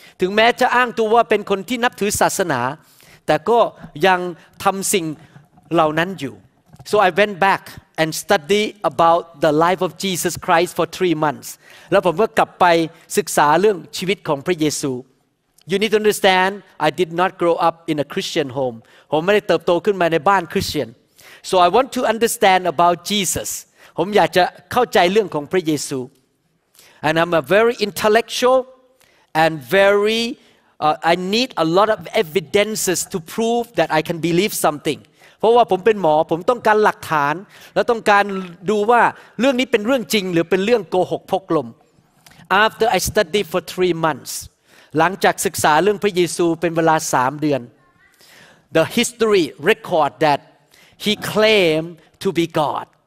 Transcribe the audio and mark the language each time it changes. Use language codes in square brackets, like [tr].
[th] ถึงแม้จะอ้างตัวว่าเป็นคนที่นับถือศาสนาแต่ก็ยังทำสิ่งเหล่านั้นอยู่ [en] So I went back and study about the life of Jesus Christ for 3 months. [th] แล้วผมก็กลับไปศึกษาเรื่องชีวิตของพระเยซู [en] You need to understand, I did not grow up in a Christian home. [th] ผมไม่ได้เติบโตขึ้นมาในบ้านคริสเตียน [en] So I want to understand about Jesus. [th] ผมอยากจะเข้าใจเรื่องของพระเยซู [en] And I'm a very intellectual and very I need a lot of evidences to prove that I can believe something. [th] เพราะว่าผมเป็นหมอผมต้องการหลักฐานและต้องการดูว่าเรื่องนี้เป็นเรื่องจริงหรือเป็นเรื่องโกหกพกลม [en] After I study for 3 months, [th] หลังจากศึกษาเรื่องพระเยซูเป็นเวลา3 เดือน, [en] the history record thatHe claimed to be God.